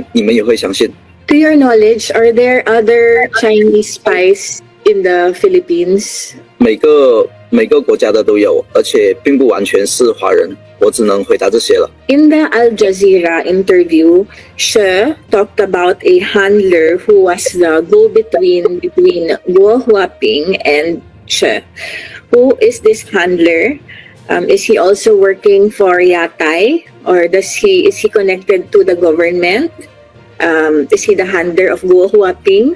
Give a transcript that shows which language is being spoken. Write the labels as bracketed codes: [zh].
[zh] 我是当然相信的。如果你们看了这些文件，你们也会相信。 [en] To your knowledge, are there other Chinese spies in the Philippines? [zh] 每个国家的都有，而且并不完全是华人。我只能回答这些了。 [en] In the Al Jazeera interview, she talked about a handler who was the go-between between Guo Huaping and she. Who is this handler? Is he also working for Yatai? Or is he connected to the government? Is he the handler of Guo Huaping?